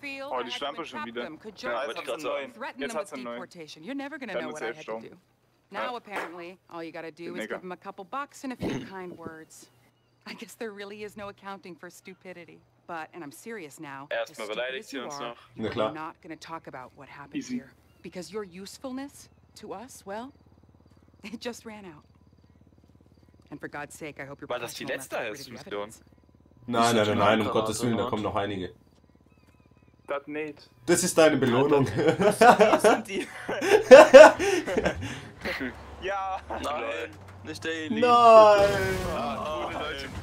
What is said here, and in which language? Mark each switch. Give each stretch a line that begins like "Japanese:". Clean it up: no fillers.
German: Oh, die Schlampe schon wieder. Ja, wollte ich gerade sagen. Jetzt hat's einen neuen.
English: You're never gonna know what I had to do. Now apparently all you gotta do is give him a couple bucks and a few kind words. I guess there really is no accounting for stupidity. But and I'm serious now.
German: Erstmal beleidigt sie uns noch. Na klar.
English: We're not gonna talk about what happened here because your usefulness to us, well, it just ran out. And for God's sake, I hope you're.
German: War das die letzte Mission? Nein, um Gottes Willen, da kommen noch einige. Das nicht. Das ist deine Belohnung. Ja, nein. Nicht der Elite. Nein. Nein.